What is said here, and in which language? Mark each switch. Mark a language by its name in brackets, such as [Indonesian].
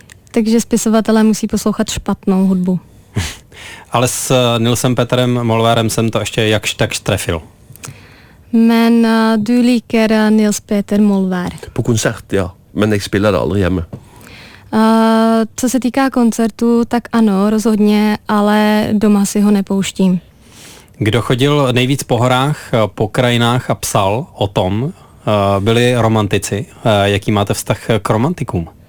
[Czech] Takže spisovatelé musí poslouchat špatnou hudbu. Ale s Nilsem Petrem Molvárem jsem to ještě jakž tak trefil. [Norwegian] Men du liker Nils Peter Molvær. På konsert, ja. Men jeg spiller det aldri hjemme. [Czech] Co se týká koncertu, tak ano, rozhodně, ale doma si ho nepouštím. Kdo chodil nejvíc po horách, po krajinách a psal o tom, byli romantici. Jaký máte vztah k romantikům?